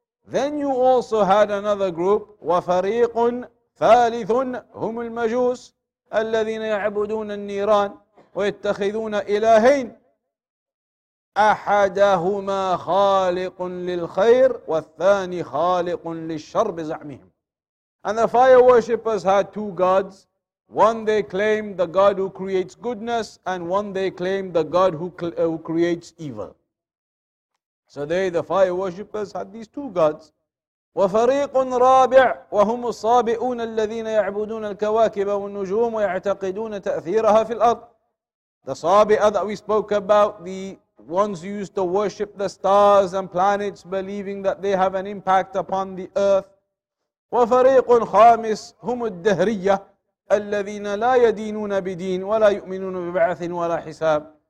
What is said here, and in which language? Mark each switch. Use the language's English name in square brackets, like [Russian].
[English] Then you also had another group, [Arabic] وَفَرِيقٌ ثَالِثٌ هُمُ الْمَجُوسِ الَّذِينَ يَعْبُدُونَ النِّيرَانِ وَيَتَّخِذُونَ إِلَهَيْنِ أحدهما خالق للخير والثاني خالق للشر بزعمهم. [English] And the fire worshippers had two gods. One they claim the god who creates goodness, and one they claim the god who creates evil. So they, the fire worshippers, had these two gods. [Arabic] وفريق رابع وهم الصابئون الذين يعبدون الكواكب والنجوم ويعتقدون تأثيرها في الأرض. [English] The صابئة that we spoke about, the ones who used to worship the stars and planets, believing that they have an impact upon the earth. [Arabic] وَفَرِيقٌ خَامِسٌ هُمُ الدَّهْرِيَّةُ الَّذِينَ لَا يَدِينُونَ بِدِينٍ وَلَا يُؤْمِنُونَ بِبَعْثٍ وَلَا حِسَابٍ.